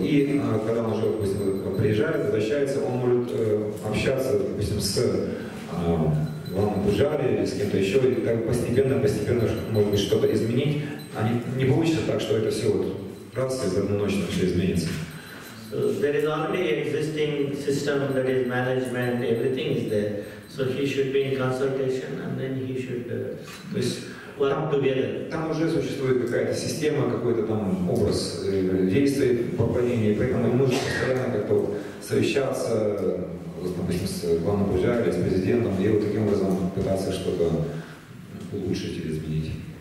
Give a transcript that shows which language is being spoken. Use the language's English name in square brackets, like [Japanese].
[Russian] И когда он уже, допустим, приезжает, возвращается, он может общаться, допустим, с Ван Буджари или с кем-то еще, и так постепенно, может быть, что-то изменить. А не получится так, что это все вот раз и за одну ночь все изменится. [English] So there is already existing system that is management, everything is there. So he should be in consultation and then he should work together. [Russian] Там уже существует какая-то система, какой-то там образ действий, поклонения, поэтому ему нужно постоянно как-то совещаться, допустим, с главным Буджари или с президентом, и вот таким образом пытаться что-то улучшить или изменить.